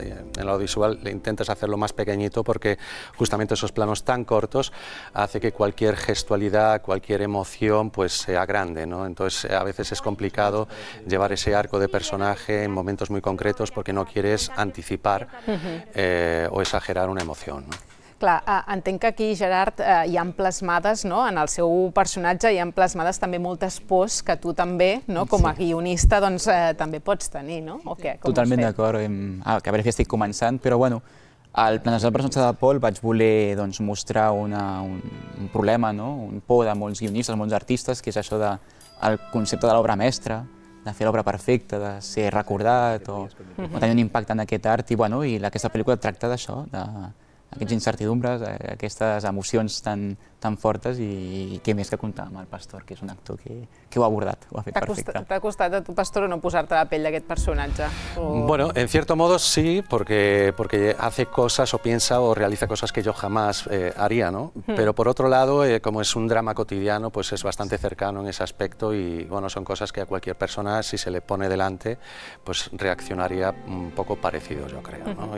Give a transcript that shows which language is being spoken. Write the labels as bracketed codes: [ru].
[es] En lo audiovisual intentas hacerlo más pequeñito porque justamente esos planos tan cortos hace que cualquier gestualidad, cualquier emoción, pues sea grande, ¿no? Entonces, a veces es complicado llevar ese arco de personaje en momentos muy concretos porque no quieres anticipar o exagerar una emoción, ¿no? [ca] Clar, entenc que aquí, Gerard, hi han plasmades, no? En el seu personatge hi han plasmades també moltes pors que tu també, no? Com a guionista, doncs, també pots tenir, no? O què? Com totalment d'acord. Que a veure si estic començant, però bueno, al planejar el personatge de Pol vaig voler doncs, mostrar un problema, no? Un por de molts guionistes, molts artistes, que és això del concepte de l'obra mestra, de fer l'obra perfecta, de ser recordat o tenir un impacte en aquest art. I, bueno, i aquesta pel·lícula tracta d'això, aquestes incertidumbres, aquestes emocions tan fortes i què més que comptar amb el Pastor, que és un actor que ho ha abordat, ho ha fet perfecte. T'ha costat a tu, Pastor, o no posar-te la pell d'aquest personatge? [es] Bueno, en cierto modo sí, porque hace cosas o piensa o realiza cosas que yo jamás haría, ¿no? Pero por otro lado, como es un drama cotidiano, pues es bastante cercano en ese aspecto y, bueno, son cosas que a cualquier persona, si se le pone delante, pues reaccionaría un poco parecido, yo creo, ¿no?